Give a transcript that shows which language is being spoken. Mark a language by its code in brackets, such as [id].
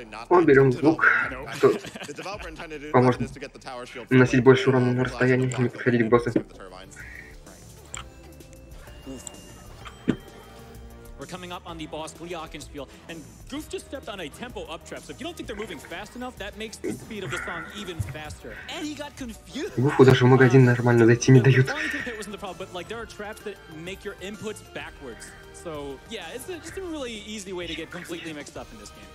[ru] Мы берем звук, что поможет наносить больше урона на расстоянии, не подходить к боссу. [en] We're coming up on the boss Gliokenspiel, and Goof just stepped on a tempo up trap. So if you don't think they're moving fast enough, that makes the speed of the song even faster. And he got confused. [ru] Гуфу даже в магазин нормально зайти не дают. [en] But like there are traps that make your inputs backwards. So yeah, it's just a really easy way to get completely mixed up in this game.